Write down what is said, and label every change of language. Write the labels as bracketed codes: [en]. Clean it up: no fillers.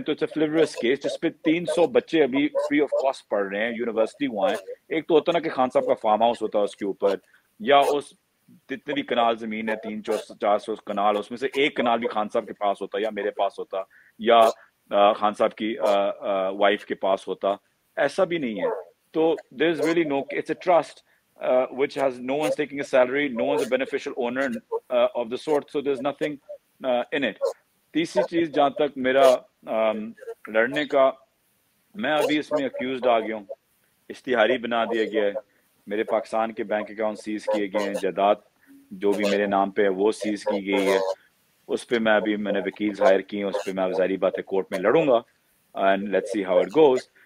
[ur] تو [en] it's a flavours case [ur] جس پہ 300 بچے ابھی فری آف کاسٹ پڑھ رہے ہیں, یونیورسٹی وہاں ہے. ایک تو ہوتا نا کہ خان صاحب کا فارم ہاؤس ہوتا ہے اس کے اوپر, یا اس جتنے بھی کنال زمین ہے 300-400 کنال, اس میں سے ایک کنال بھی خان صاحب کے پاس ہوتا یا میرے پاس ہوتا یا خان صاحب کی وائف کے پاس ہوتا, ایسا بھی نہیں ہے. [en] تو there is really no, it's a trust which has no one taking a salary, no one is a beneficial owner of the sort, so there is nothing in it. [ur] تیسری چیز جہاں تک میرا لڑنے کا, میں ابھی اس میں اکیوزڈ آ گیا ہوں, اشتہاری بنا دیا گیا ہے, میرے پاکستان کے بینک اکاؤنٹ سیز کیے گئے ہیں, جائیداد جو بھی میرے نام پہ ہے وہ سیز کی گئی ہے. اس پہ میں ابھی میں نے وکیل ہائر کیے ہیں, اس پہ میں ظاہری بات ہے کورٹ میں لڑوں گا, [en] And let's see how it goes.